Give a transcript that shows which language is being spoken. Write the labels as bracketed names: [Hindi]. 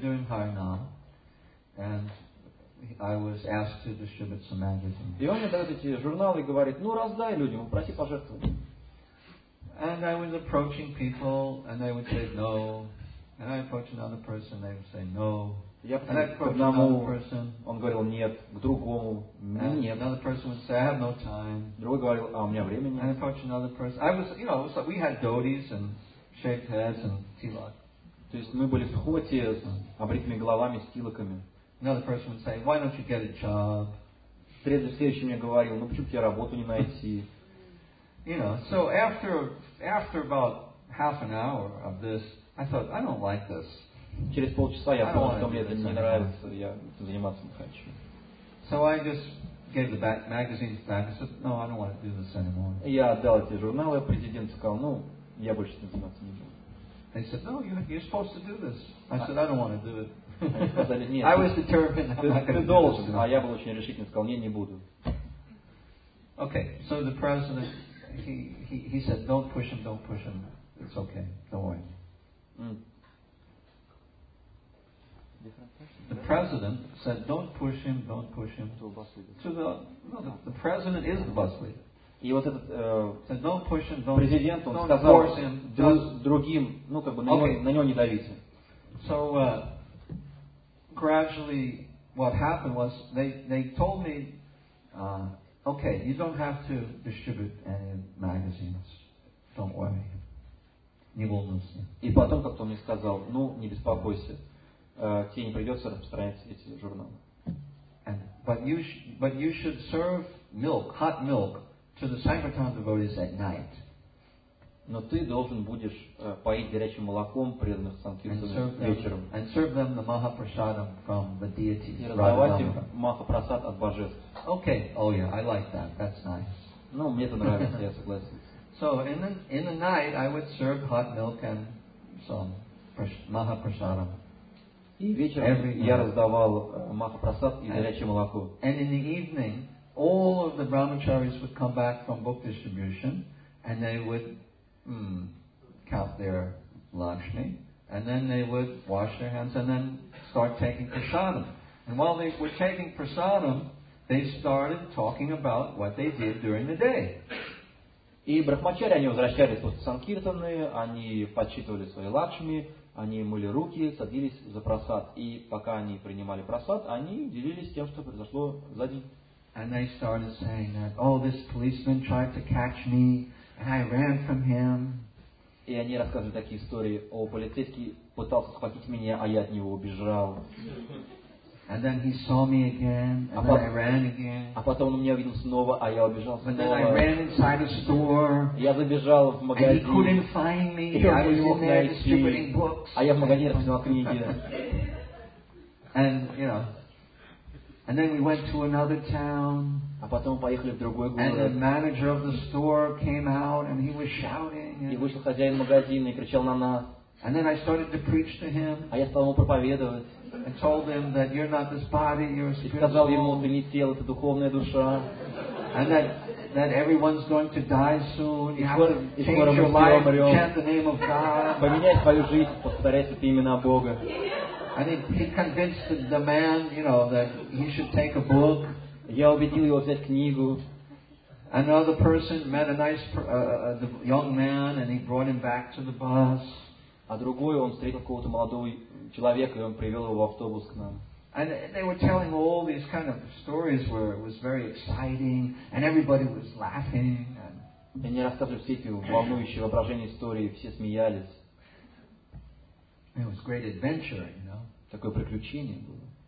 [English] doing Harinam, and I was asked to distribute some magazines. [Russian] И он мне дает эти журналы и говорит, раздай людям, проси пожертвовать. [English] And I was approaching people, and they would say no. And I approached another person, they would say no. And I approached another person. [Russian] Он говорил нет, к другому нет. [English] Another person would say I have no time. [Russian] Другой говорил, а у меня времени нет. [English] And I approached another person. I was, we had dhotis and shaved heads and tilak. [Russian] То есть мы были в хоте с обритыми головами, с тилаками. [English] Another person would say, "Why don't you get a job?" [Russian] Следующий мне говорил, почему тебе работу не найти? [English] So after about half an hour of this, I thought, I don't like this. [Russian] Через полчаса я понял, что мне это не нравится, я этим заниматься не хочу. [English] So I just gave the back magazines back and said, "No, I don't want to do this anymore." [Russian] Я отдал эти журналы, президент сказал, я больше этим заниматься не буду. [English] They said, "No, you're supposed to do this." I said, "I don't want to do it." [Russian] Сказали, [English] I was determined. [Russian] Ты должен, а я был очень решительный, сказал, не буду. [English] Okay, so the president he said, don't push him, it's okay, don't worry. The president said, don't push him. To the president is the bus leader. [Russian] И вот этот [English] said, don't push him, don't, [Russian] президент, он [English] don't [Russian] сказал [English] force him, just... [Russian] другим, на него не давите. [English] So, gradually, what happened was they told me, okay, you don't have to distribute any magazines. Don't worry. [Russian] Не волнуйся. И потом как-то мне сказал, не беспокойся, тебе не придется распространять эти журналы. [English] But you should serve milk, hot milk, to the Sankirtan devotees at night. [Russian] Но ты должен будешь поить горячим молоком преданных санкиртан вечером. [English] And serve them the Mahaprasadam from the deities. [Russian] И раздавать им Махапрасад от божеств. [English] Okay, oh yeah, I like that. That's nice. [Russian] Мне это нравится, я согласен. [English] So in the night I would serve hot milk and some Mahaprasadam. [Russian] И вечером я раздавал Махапрасад и горячее молоко. [English] And in the evening all of the brahmacharis would come back from book distribution and they would count their Lakshmi, and then they would wash their hands and then start taking prasadam. And while they were taking prasadam, they started talking about what they did during the day. [Russian] И брахмачари, они возвращались после санкиртаны, они подсчитывали свои лакшми, они мыли руки, садились за прасад. И пока они принимали прасад, они делились тем, что произошло за день. [English] And they started saying that, oh, this policeman tried to catch me, and I ran from him. [Russian] И они рассказывали такие истории: о, полицейский пытался схватить меня, а я от него убежал. [English] And then he saw me again, and then I ran again. [Russian] А потом он меня увидел снова, а я убежал снова. [English] And then I ran inside a store. [Russian] Я забежал в магазин. [English] And he couldn't find me. I was in there distributing books. [Russian] А я в магазине раздавал книги. [English] And, you know, and then we went to another town. [Russian] А потом поехали в другой город. [English] And the manager of the store came out, and he was shouting. [Russian] И вышел хозяин магазина и кричал на нас. [English] And then I started to preach to him. [Russian] А я стал ему проповедовать. [English] And told him that you're not this body, you're a spirit. [Russian] Сказал ему, ты не тело, ты духовная душа. [English] And that everyone's going to die soon. You have to change your life, chant the name of God. [Russian] Поменяй свою жизнь, повторяй имена Бога. [English] And he convinced the man, you know, that he should take a book. [Russian] Я убедил его взять книгу. [English] Another person met a nice young man, and he brought him back to the bus. [Russian] А другой он встретил какого-то молодого человека, и он привел его в автобус к нам. [English] And they were telling all these kind of stories where it was very exciting, and everybody was laughing. [Russian] И они рассказывали все эти волнующие воображения истории, все смеялись. [English] It was great adventure, you know. [Russian] Такое приключение было.